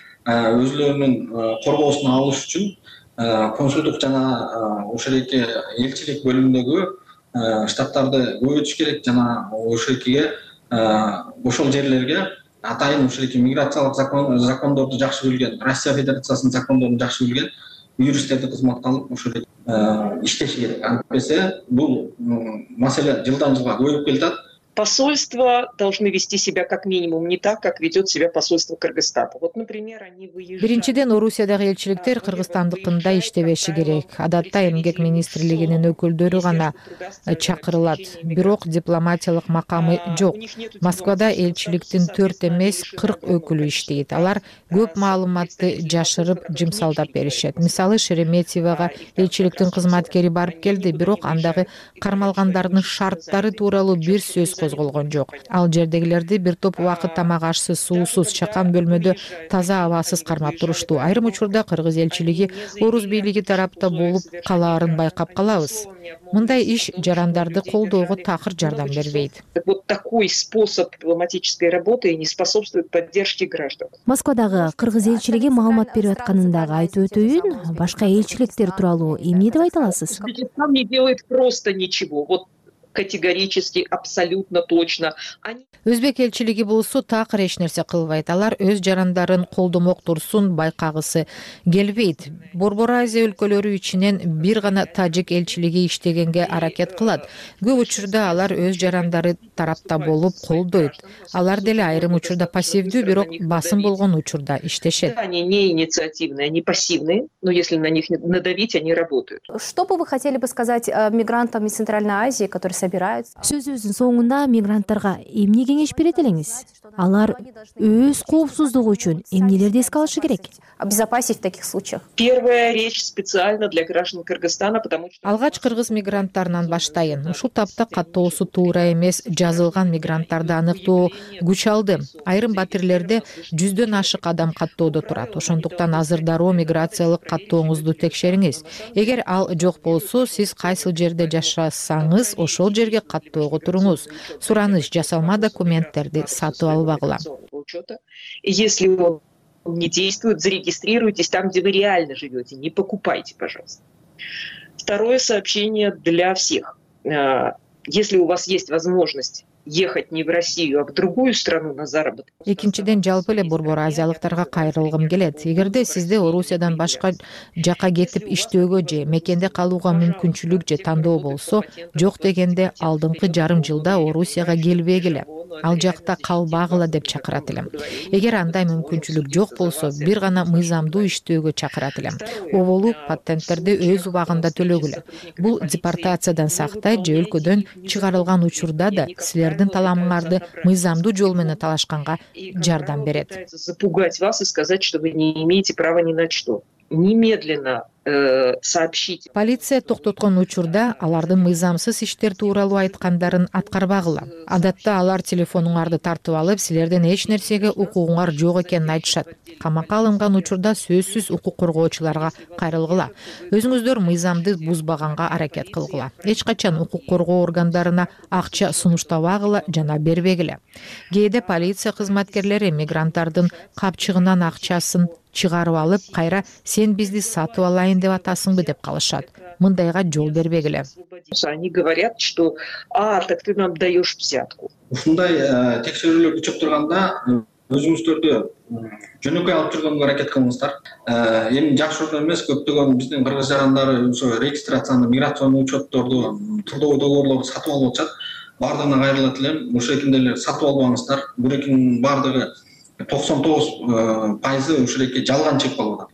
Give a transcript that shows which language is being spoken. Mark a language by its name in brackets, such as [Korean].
[Kyrgyz] өзлөрүнүн коргоосуна алыш үчүн консулдук жана ушул эки элчилик бөлүмүндөгү штаттарды көбөйтүш керек жана ушул экиге ошол жерлерге атайын ушул эки миграциялык закондорду жакшы билген, Россия Федерациясынын закондорун жакшы билген юристтерди кызматка алып ушул иштеши керек. Антпесе бул маселе жылдан жылга көбөйүп келатат. [Russian] Посольства должны вести себя как минимум не так, как ведет себя посольство Кыргызстана. Вот, например, они выезжают. [Kyrgyz] Биринчиден Орусиядагы элчиликтер кыргызстандыкында иштебеши керек. Адатта эмгек министрлигинин өкүлдөрү гана чакырылат. Бирок дипломатиялык макамы жок. Москвада элчиликтин 4 эмес 40 өкүлү иштейт. Алар көп маалыматты жашырып жымсалдап беришет. Мисалы, Шереметьевага элчиликтин кызматкери барып келди, бирок андагы кармалгандардын шарттары тууралуу бир сөз козголгон жок. Ал жердегилерди бир топ убакыт тамак ашсыз, суусуз, чакан бөлмөдө таза абасыз кармап турушту. Айрым учурда кыргыз элчилиги орус бийлиги тарапта болуп калаарын байкап калабыз. Мындай иш жарандарды колдоого такыр жардам бербейт. [Russian] Вот такой способ дипломатической работы не способствует поддержке граждан. [Kyrgyz] Москвадагы кыргыз элчилиги маалымат берип атканын дагы айтып өтөйүн, башка элчиликтер тууралуу эмне деп айта аласыз? [Russian] Кыргызстан не делает просто ничего. Вот категорически, абсолютно точно. [Kyrgyz] Өзбек элчилиги болсо так эч нерсе кылбайт. Алар өз жарандарын колдомок турсун байкагысы келбейт. Борбор Азия өлкөлөрү ичинен бир гана тажик элчилиги иштегенге аракет кылат. Көп учурда алар өз жарандары тарапта болуп колдойт. Алар деле айрым учурда пассивдүү, бирок басым болгон учурда иштешет. [Russian] Они не инициативные, они пассивные, но если на них надавить, они работают. Что бы вы хотели бы сказать мигрантам из Центральной Азии, которые собираются? [Kyrgyz] Сөзүбүздүн соңунда мигранттарга эмне кеңеш берет элеңиз? Алар өз коопсуздугу үчүн эмнелерди эске алышы керек? [Russian] Обезопасить в таких случаях. Первая речь специально для граждан Кыргызстана, потому что... [Kyrgyz] Алгач кыргыз мигранттарынан баштайын. Ушул тапта каттоосу туура эмес жазылган мигранттарды аныктоо күч алды. Айрым батирлерде 100-ден ашык адам каттоодо турат. Ошондуктан азырдароо миграциялык каттооңузду текшериңиз. Эгер ал жок болсо, сиз кайсыл жерде жашасаңыз, ошол жерге каттоого туруңуз. Сураныш жасалма документтерди сатып албагыла. [Russian] Если он не действует, зарегистрируйтесь там, где вы реально живете. Не покупайте, пожалуйста. Второе сообщение для всех. Если у вас есть возможность ехать не в Россию, а в другую страну на заработок. [Kyrgyz] Экинчиден жалпы эле борбор азиялыктарга кайрылгым келет. Эгерде сизде Орусиядан башка жака кетип иштөөгө же мекенде калууга мүмкүнчүлүк же тандоо болсо, жок дегенде алдыңкы жарым жылда Орусияга келбегиле. Ал жакта калбагыла деп чакырат элем. Эгер андай мүмкүнчүлүк жок болсо, бир гана мыйзамдуу иштөөгө чакырат элем. Оболу патенттерди өз убагында төлөгүлө. Бул депортациядан сактай же өлкөдөн чыгарылган учурда да силердин таламыңарды мыйзамдуу жол менен талашканга жардам берет. [Russian] Запугать вас и сказать, что вы не имеете права ни на что. Немедленно сообщить. [Kyrgyz] Полиция токтоткон учурда алардын мыйзамсыз иштер тууралуу айткандарын аткарбагыла. Адатта алар телефонуңарды тартып алып, силердин эч нерсеге укугуңар жок экенин айтышат. Камакка алынган учурда сөзсүз укук коргоочуларга кайрылгыла. Өзүңүздөр мыйзамды бузбаганга аракет кылгыла. Эч качан укук коргоо органдарына акча сунуштабагыла жана бербегиле. Кээде полиция кызматкерлери мигранттардын капчыгынан акчасын чыгарып алып, кайра сен бизди сатып алайын деп атасыңбы деп калышат. Мындайга жол бербегиле. [Russian] Они говорят, что так ты нам даешь взятку. [Kyrgyz] Ушундай текшерүүлөр күчөп турганда өзүңүздөрдү жөнөкөй алып жүргөнгө аракет кылыңыздар. Эми жакшы орун эмес, көптөгөн биздин кыргыз жарандары ошо регистрацияны, миграциянын учеттерди тылдоо долбоорлорду сатып алып атышат. Бардыгына кайрылат элем, ушул экинде эле сатып албаңыздар. Бирөөнүн бардыгы 99% ушул эки жалган чек болуп атат.